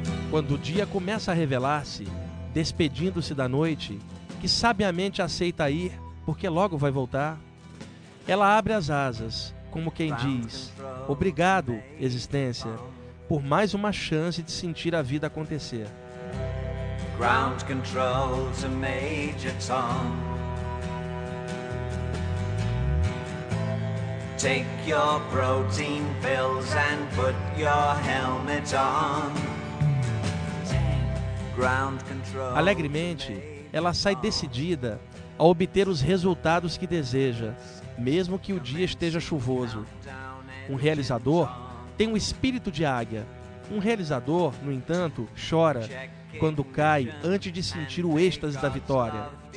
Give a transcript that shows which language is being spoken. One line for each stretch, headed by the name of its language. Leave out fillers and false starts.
Portuguese: Quando o dia começa a revelar-se, despedindo-se da noite, que sabiamente aceita ir, porque logo vai voltar, ela abre as asas, como quem diz: obrigado, existência, por mais uma chance de sentir a vida acontecer.
English: Ground control to Major Tom. Take your protein pills and put your helmet on. Ground control.
Portuguese: Alegremente, ela sai decidida a obter os resultados que deseja, mesmo que o dia esteja chuvoso. Um realizador tem um espírito de águia. Um realizador, no entanto, chora quando cai antes de sentir o êxtase da vitória.